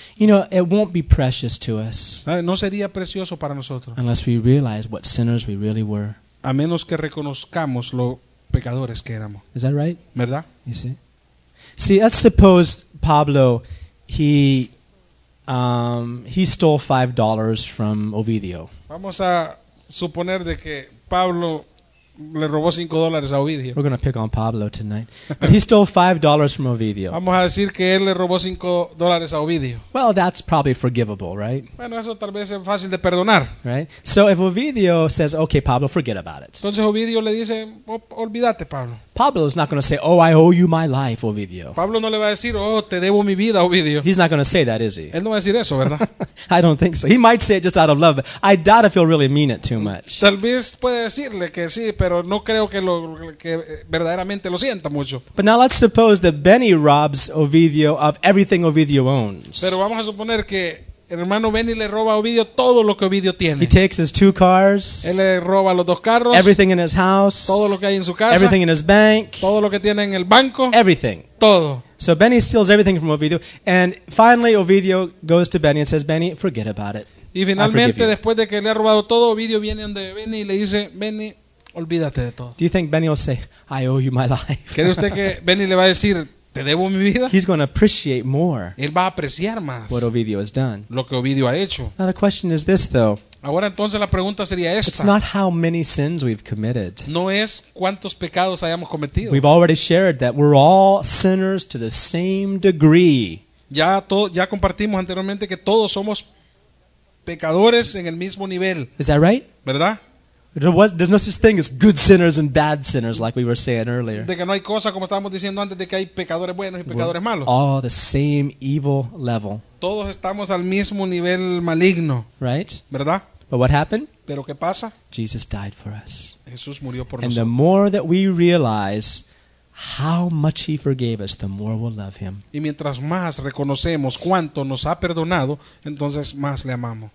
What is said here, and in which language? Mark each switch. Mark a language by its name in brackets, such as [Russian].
[English] You know, it won't be precious to us. [Spanish] No sería precioso para nosotros. [English] Unless we realize what sinners we really were. [Spanish] A menos que reconozcamos lo pecadores que éramos. [English] Is that right? [Spanish] ¿Verdad? [English] You see? See, let's suppose Pablo... He stole $5 from Ovidio. [Spanish] Vamos a suponer de que Pablo le robó $5 a Ovidio. [English] We're going to pick on Pablo tonight. But he stole $5 from Ovidio. [Spanish] Vamos a decir que él le robó $5 a Ovidio. [English] Well, that's probably forgivable, right? [Spanish] Bueno, eso tal vez es fácil de perdonar. [English] Right? So if Ovidio says, okay, Pablo, forget about it. [Spanish] Entonces Ovidio le dice, olvídate, Pablo. [English] Pablo is not going to say, oh, I owe you my life, Ovidio. [Spanish] Pablo no le va a decir, oh, te debo mi vida, Ovidio. [English] He's not going to say that, is he? [Spanish] Él no va a decir eso, ¿verdad? [English] I don't think so. He might say it just out of love, but I doubt if he'll really mean it too much. [Spanish] Tal vez puede decirle que sí, pero no creo que verdaderamente lo sienta mucho. [English] But now let's suppose that Benny robs Ovidio of everything Ovidio owns. [Spanish] Pero vamos a suponer que el hermano Benny le roba a Ovidio todo lo que Ovidio tiene. [English] He takes his two cars. [Spanish] Él le roba los dos carros. [English] Everything in his house. [Spanish] Todo lo que hay en su casa. [English] Everything in his bank. [Spanish] Todo lo que tiene en el banco. [English] Everything. [Spanish] Todo. [English] So Benny steals everything from Ovidio, and finally Ovidio goes to Benny and says, Benny, forget about it. [Spanish] Y finalmente, después de que le ha robado todo, Ovidio viene donde Benny y le dice, Benny, olvídate de todo. [English] Do you think Benny will say, I owe you my life? [Spanish] ¿Cree usted que Benny le va a decir, te debo mi vida? [English] He's going to appreciate more. [Spanish] Él va a apreciar más. [English] What Ovidio has done. [Spanish] Lo que Ovidio ha hecho. [English] Now the question is this, though. [Spanish] Ahora entonces la pregunta sería esta. [English] It's not how many sins we've committed. [Spanish] No es cuántos pecados hayamos cometido. [English] We've already shared that we're all sinners to the same degree. [Spanish] Ya compartimos anteriormente que todos somos pecadores en el mismo nivel. [English] Is that right? [Spanish] ¿Verdad? [English] There's no such thing as good sinners and bad sinners, like we were saying earlier. [Spanish] De que no hay cosa como estábamos diciendo antes, de que hay pecadores buenos y pecadores malos. [English] All the same evil level. [Spanish] Todos estamos al mismo nivel maligno. [English] Right? [Spanish] ¿Verdad? [English] But what happened? [Spanish] Pero qué pasa? [English] Jesus died for us. [Spanish] Jesús murió por [English] and [Spanish] nosotros. [English] And the more that we realize how much He forgave us, the more we'll love Him. [Spanish] Y mientras más reconocemos cuánto nos ha perdonado, entonces más le amamos.